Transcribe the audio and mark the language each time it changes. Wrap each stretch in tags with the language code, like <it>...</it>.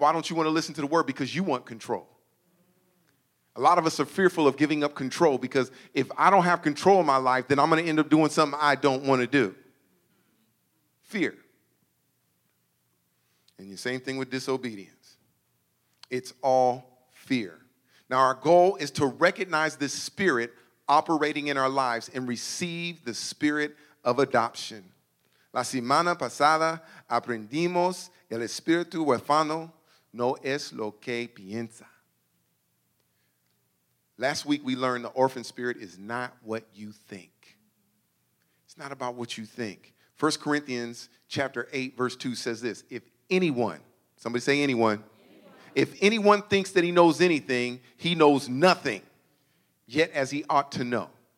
<en>Why don't you want to listen to the word? Because you want control. A lot of us are fearful of giving up control because if I don't have control in my life, then I'm going to end up doing something I don't want to do. Fear. And the same thing with disobedience. It's all fear. Now, our goal is to recognize this spirit operating in our lives and receive the spirit of adoption.</en> <es>La semana pasada aprendimos el espíritu huérfano no es lo que piensa.</es> <en>Last week we learned the orphan spirit is not what you think. It's not about what you think. 1 Corinthians chapter 8 verse 2 says this: If anyone, somebody say anyone. If anyone thinks that he knows anything, he knows nothing, yet as he ought to know.</en>